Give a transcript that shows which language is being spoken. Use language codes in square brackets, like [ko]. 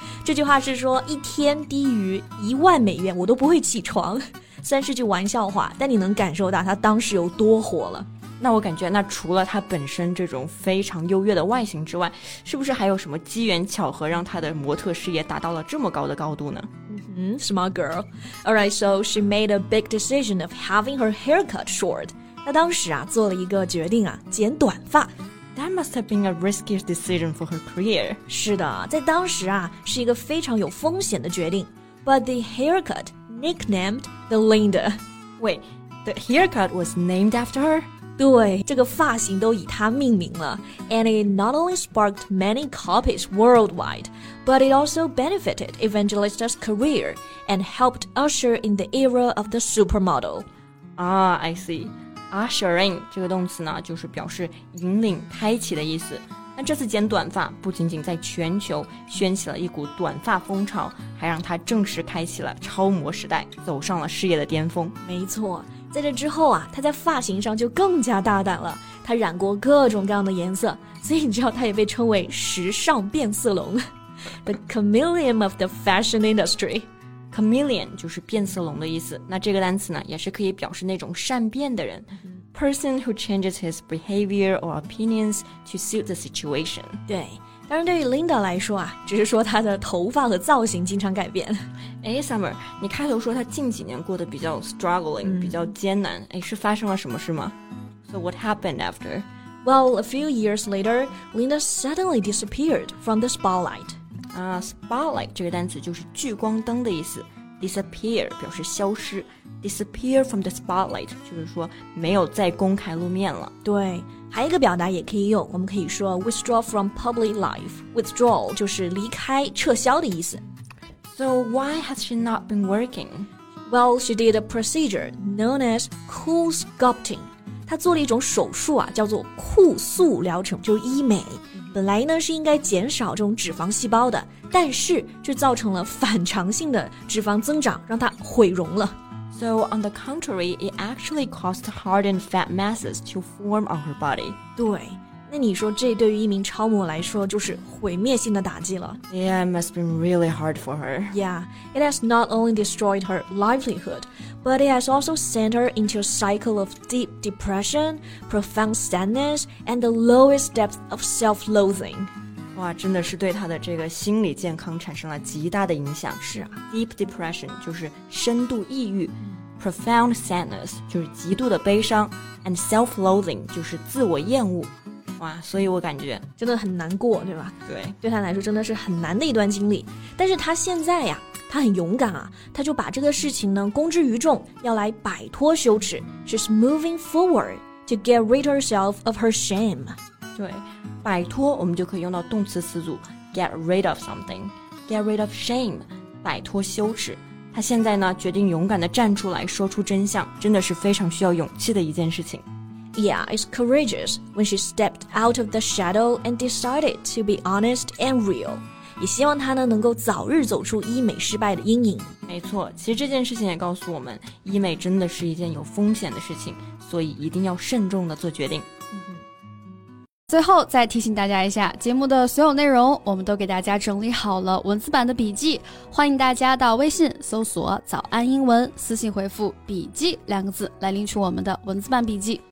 [zh] 这句话是说一天低于$10,000我都不会起床。虽然是句玩笑话，但你能感受到他当时有多火了。那我感觉那除了她本身这种非常优越的外形之外，是不是还有什么机缘巧合让她的模特事业达到了这么高的高度呢？ [en] 嗯、mm-hmm, smart girl. Alright, so she made a big decision of having her haircut short. [zh] 她当时啊做了一个决定啊，剪短发。 [en] That must have been a risky decision for her career. [zh] 是的，在当时啊是一个非常有风险的决定。 [en] But the haircut nicknamed the Linda. Wait, the haircut was named after her? [zh] 对，这个发型都以她命名了。 [en] And it not only sparked many copies worldwide, but it also benefited Evangelista's career and helped usher in the era of the supermodel. Ah, I see. [zh] Ushering 这个动词呢，就是表示引领、开启的意思。那这次剪短发不仅仅在全球掀起了一股短发风潮，还让她正式开启了超模时代，走上了事业的巅峰。没错，在这之后啊，她在发型上就更加大胆了，她染过各种各样的颜色，所以你知道她也被称为时尚变色龙 [en] The chameleon of the fashion industry。 [zh] Chameleon 就是变色龙的意思，那这个单词呢，也是可以表示那种善变的人。 [en] Person who changes his behavior or opinions to suit the situation. [zh] 对，当然对于 Linda 来说啊，只是说她的头发和造型经常改变。哎 ，Summer， 你开头说她近几年过得比较 struggling，比较艰难，哎，是发生了什么事吗 ？ [en] So what happened after? Well, a few years later, Linda suddenly disappeared from the spotlight. [zh] Spotlight 这个单词就是聚光灯的意思。Disappear 表示消失 [en] Disappear from the spotlight [zh] 就是说没有再公开露面了对还有一个表达也可以用我们可以说 [en] Withdraw from public life [zh] Withdraw 就是离开撤销的意思 [en] So why has she not been working? Well, she did a procedure known as cool sculpting [zh] 她做了一种手术啊，叫做酷塑疗程就是医美本来呢是应该减少这种脂肪细胞的但是却造成了反常性的脂肪增长让它毁容了 [en] So on the contrary, it actually caused hardened fat masses to form on her body [zh] 对那你说这对于一名超模来说就是毁灭性的打击了 [en] Yeah, it must have been really hard for her Yeah, it has not only destroyed her livelihood But it has also sent her into a cycle of deep depression Profound sadness And the lowest depth of self-loathing [zh] 哇真的是对她的这个心理健康产生了极大的影响是啊 Deep depression 就是深度抑郁 [en] Profound sadness [zh] 就是极度的悲伤 [en] And self-loathing [zh] 就是自我厌恶哇所以我感觉真的很难过对吧对对他来说真的是很难的一段经历但是他现在呀他很勇敢啊他就把这个事情呢公之于众要来摆脱羞耻 [en] She's moving forward to get rid herself of her shame [zh] 对摆脱我们就可以用到动词词组 [en] get rid of something get rid of shame [zh] 摆脱羞耻他现在呢决定勇敢地站出来说出真相真的是非常需要勇气的一件事情 [en] Yeah, it's courageous when she stepped out of the shadow and decided to be honest and real. [zh] 也希望她呢能够早日走出医美失败的阴影。没错，其实这件事情也告诉我们，医美真的是一件有风险的事情，所以一定要慎重的做决定。最后再提醒大家一下，节目的所有内容我们都给大家整理好了文字版的笔记，欢迎大家到微信搜索早安英文，私信回复笔记两个字来领取我们的文字版笔记。